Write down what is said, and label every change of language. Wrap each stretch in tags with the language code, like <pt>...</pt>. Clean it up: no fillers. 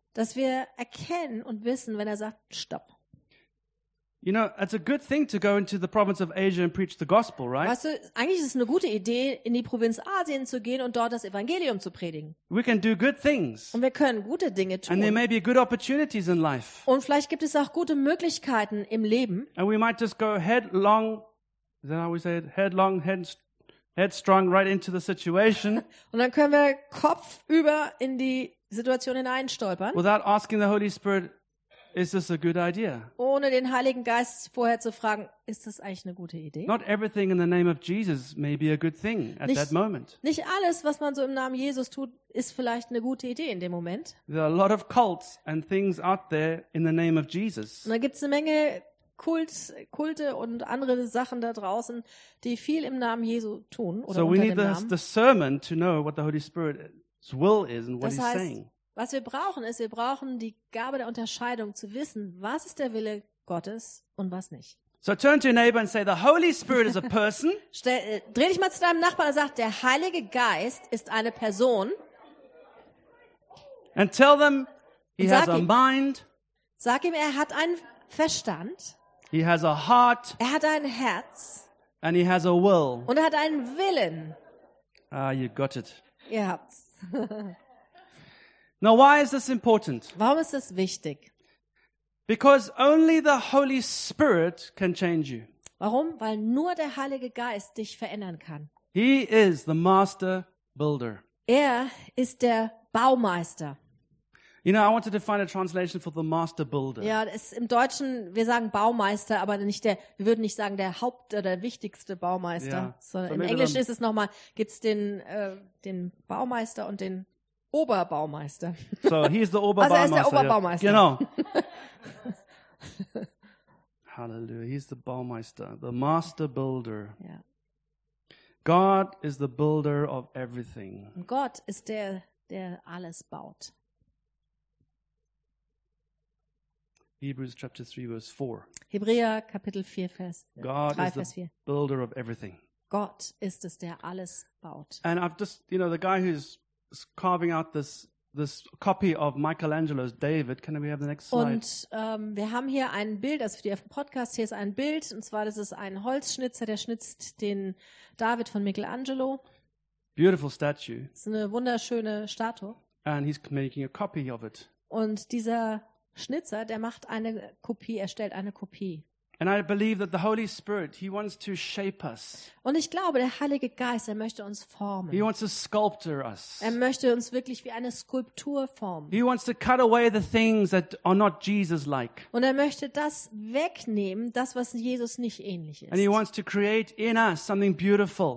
<de>Dass wir erkennen und wissen, wenn er sagt, stopp.</de> <en>You know, it's a good thing to go into the province of Asia and preach the gospel, right?</en> <de>Weißt du, eigentlich ist es eine gute Idee, in die Provinz Asien zu gehen und dort das Evangelium zu predigen.</de> <en>We can do good things.</en> <de>Und wir können gute Dinge tun.</de> <en>And there may be good opportunities in life.</en> <de>Und vielleicht gibt es auch gute Möglichkeiten im Leben.</de> <en>And we might just go headlong. Is that how we say it? Headlong, headstrong, right into the situation.</en> <de>Und dann können wir kopfüber in die Situation hineinstolpern.</de> <en>Without asking the Holy Spirit, is this a good idea?</en> <de>Ohne den Heiligen Geist vorher zu fragen, ist das eigentlich eine gute Idee?</de> <en>Not everything in the name of Jesus may be a good thing at that moment.</en> <de>Nicht alles, was man so im Namen Jesus tut, ist vielleicht eine gute Idee in dem Moment.</de> <en>There are a lot of cults and things out there in the name of Jesus.</en> <de>Und da gibt's eine Menge Kulte und andere Sachen da draußen, die viel im Namen Jesu tun oder so unter dem Namen.</de> <en>So we need the sermon to know what the Holy Spirit is. His will is and what</en> <de>das heißt,</de> <en>he's saying.</en> <de>Was wir brauchen, ist, wir brauchen die Gabe der Unterscheidung, zu wissen, was ist der Wille Gottes und was nicht.</de> <en>So turn to your neighbor and say, the Holy Spirit is a person.</en> <de>Dreh dich mal zu deinem Nachbarn und sag, der Heilige Geist ist eine Person.</de> <en>And tell them, he has a mind.</en> <de>Sag ihm, er hat einen Verstand.</de> <en>He has a heart.</en> <de>Er hat ein Herz.</de> <en>And he has a will.</en> <de>Und er hat einen Willen.</de> <en>Ah, you got it.</en> <de>Ihr habt's.</de> <en>Now, why is this important?</en> <de>Warum ist das wichtig?</de> <en>Because only the Holy Spirit can change you.</en> <de>Warum? Weil nur der Heilige Geist dich verändern kann.</de> <en>He is the master builder.</en> <de>Er ist der Baumeister.</de> <en>You know, I wanted to find a translation for the master builder.</en> <de>Ja, es im Deutschen, wir sagen Baumeister, aber nicht der, wir würden nicht sagen der Haupt- oder der wichtigste Baumeister, sondern so im Englischen ist es nochmal, gibt's den Baumeister und den Oberbaumeister.</de> <en>So, he is the Oberbaumeister.</en> <de>Also er ist der Oberbaumeister. Genau.</de> <en>Hallelujah, he's the Baumeister, the master builder.</en> <de>Ja.</de> <en>God is the builder of everything.</en> <de>Und Gott ist der, der alles baut.</de> <en>Hebrews chapter 3 verse 4.</en> <de>Hebräer Kapitel 4 Vers 3.</de> <en>God is the 4. Builder of everything.</en> <de>Gott ist es, der alles baut.</de> <en>And I've just, you know, the guy who's carving out this copy of Michelangelo's David, can we have the next slide?</en> <de>Und wir haben hier ein Bild, das für die auf dem Podcast, hier ist ein Bild, und zwar das ist ein Holzschnitzer, der schnitzt den David von Michelangelo.</de> <en>Beautiful statue.</en> <de>Das ist eine wunderschöne Statue.</de> <en>And he's making a copy of it.</en> <de>Und dieser Schnitzer, der macht eine Kopie, erstellt eine Kopie.</de> <en>And I believe that the Holy Spirit, he wants to shape us.</en> <de>Und ich glaube, der Heilige Geist, er möchte uns formen.</de> <en>He wants to sculpture us.</en> <de>Er möchte uns wirklich wie eine Skulptur formen.</de> <en>He wants to cut away the things that are not Jesus-like.</en> <de>Und er möchte das wegnehmen, das was Jesus nicht ähnlich ist.</de> <en>And he wants to create in us something beautiful.</en>